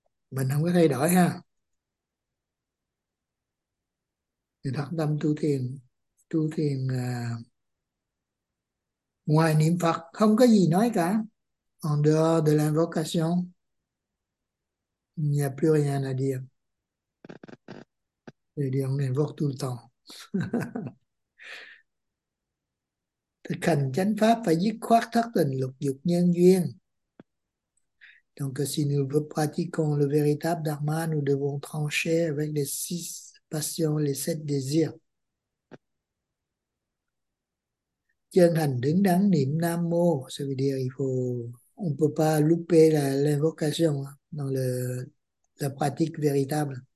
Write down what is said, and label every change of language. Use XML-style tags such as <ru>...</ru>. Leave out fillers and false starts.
<vi>Mình không có thay đổi ha. Thì thật tâm tu thiền ngoài niệm Phật không có gì nói cả.</vi> <fr>En dehors de l'invocation, il n'y a plus rien à dire. Il dit on invoque tout le temps.</fr> <vi>Thực hành chánh pháp phải dứt khoát thất tình lục dục nhân duyên.</vi> <fr>Donc, si nous pratiquons le véritable dharma, nous devons trancher avec les six passions, les sept désirs.</fr> <vi>Chân hành đứng đắn niệm Nam Mô,</vi> <fr>ça veut dire, il faut, on ne peut pas louper l'invocation dans la pratique véritable.</fr>